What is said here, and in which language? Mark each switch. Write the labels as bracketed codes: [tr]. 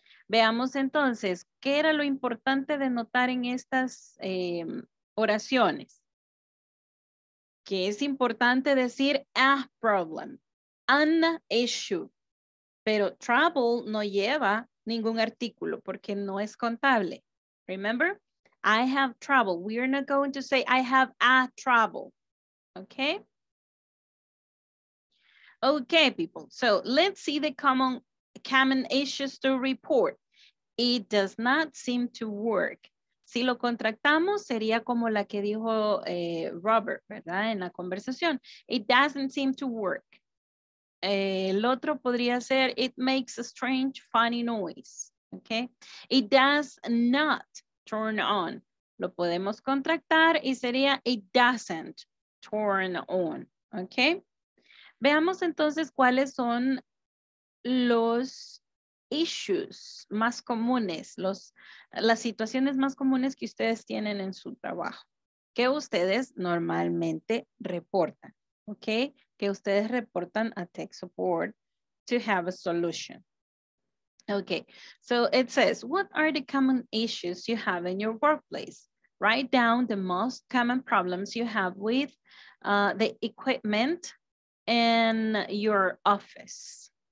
[es] Veamos entonces, ¿qué era lo importante de notar en estas oraciones? Que es importante decir a problem, an issue. Pero trouble no lleva ningún artículo porque no es contable. [en] Remember, I have trouble. We are not going to say I have a trouble. Okay? Okay, people. So let's see the common issues to report. It does not seem to work. [es] Si lo contractamos, sería como la que dijo Robert, ¿verdad? En la conversación. [en] It doesn't seem to work. [es] El otro podría ser, [en] it makes a strange, funny noise. Okay. It does not turn on. [es] Lo podemos contractar y sería, [en] it doesn't turn on. Okay. [es] Veamos entonces cuáles son los issues más comunes, las situaciones más comunes que ustedes tienen en su trabajo, que ustedes normalmente reportan, ¿ok? Que ustedes reportan a [en] tech support to have a solution. Okay, so it says, what are the common issues you have in your workplace? Write down the most common problems you have with the equipment in your office.